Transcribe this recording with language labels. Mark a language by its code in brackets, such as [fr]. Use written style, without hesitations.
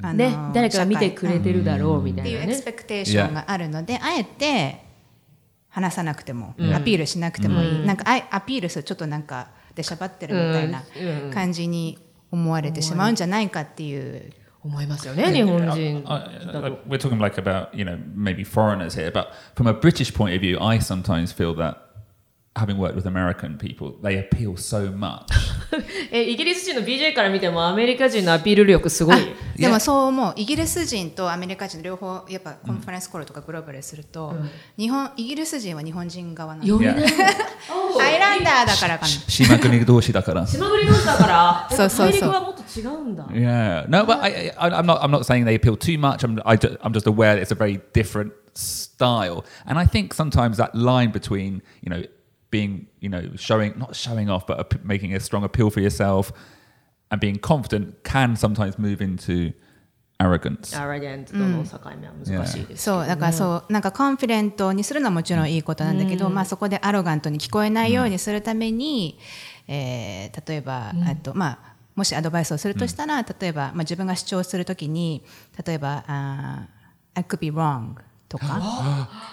[ja] ね、誰かが見てくれてるだろうみたいな、ね、っていうエクスペクテーションがあるので、yeah. あえて話さなくても、うん、アピールしなくてもいい、うん、なんかアピールするとちょっとなんかでしゃばってるみたいな感じに思われてしまうんじゃないかっていう、思いますよね、日本人だと。 [en] We're talking like about, you know, maybe foreigners here, but from a British point of view, I sometimes feel that having worked with American people, they appeal so much. [ja] イギリス人の BJ から見てもアメリカ人のアピール力すごい。でもそう思う。イギリス人とアメリカ人両方やっぱコンファレンスコールとかグローバルすると、うん、日本イギリス人は日本人側なの。読めない。アイランダーだからかな。島国同士だから。島国同士だから。そうそうそう。アメリカはもっと違うんだ。 [en] Yeah. No, but I'm not saying they appeal too much. I'm just aware that it's a very different style. And I think sometimes that line between, you know,being, you know, showing, not showing off, but making a strong appeal for yourself and being confident can sometimes move into arrogance. [ja] Arrogant との境目は難しいですけど、ね。そう、だからそう、なんかコンフィデントにするのはもちろんいいことなんだけど、うん、まあそこでアロガントに聞こえないようにするために、うん、例えば、うん、あと、まあ、もしアドバイスをするとしたら、うん、例えば、まあ、自分が主張するときに、例えば、 I could be wrong とか。